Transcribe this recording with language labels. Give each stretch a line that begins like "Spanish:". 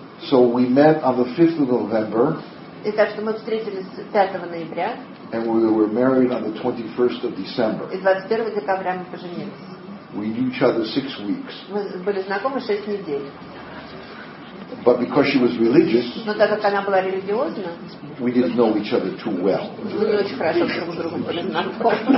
English: So we met on the 5th of November.
Russian: И так что мы встретились 5 ноября.
English: And we were married on the 21st of December.
Russian: И 21 декабря мы поженились.
English: We knew each other 6 weeks.
Russian: Мы были знакомы 6 недель.
English: But because she was religious,
Russian: но так как она была религиозна,
English: we didn't know each other too well.
Russian: Мы не очень хорошо друг другу были знакомы.